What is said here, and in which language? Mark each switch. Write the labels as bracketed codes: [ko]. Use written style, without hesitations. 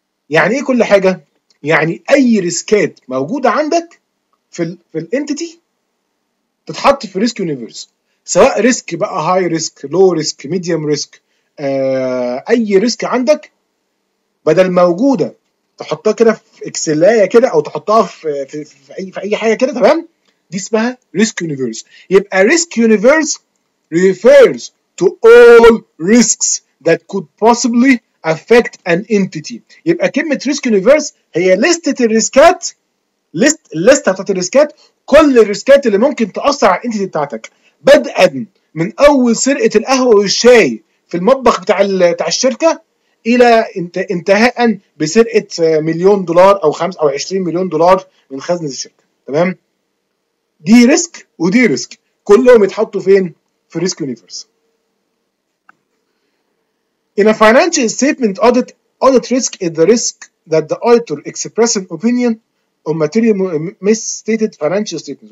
[ar] يعني ايه كل حاجه؟ يعني اي ريسكات موجوده عندك في الانتيتي تتحط في ريسك يونيفرس، سواء ريسك بقى هاي ريسك لو ريسك ميديوم ريسك، اي ريسك عندك بدل موجوده تحطها كده في اكسلايه كده او تحطها في اي حاجه كده، تمام؟ دي اسمها ريسك يونيفرس. يبقى ريسك يونيفرس [en] refers to all risks that could possibly affect an entity. [ar] يبقى كلمه ريسك يونيفرس هي لسته الريسكات، لسته بتاعت الريسكات، كل الريسكات اللي ممكن تاثر على الانتيتي بتاعتك، بدءا من اول سرقه القهوه والشاي في المطبخ بتاع الشركه الى انتهاء بسرقه مليون دولار او 5 او 20 مليون دولار من خزنه الشركه، تمام؟ دي ريسك ودي ريسك، كلهم يتحطوا فين؟ في ريسك يونيفرس. [en] In a financial statement audit, audit risk is the risk that the auditor expresses an opinion on material misstated financial statements.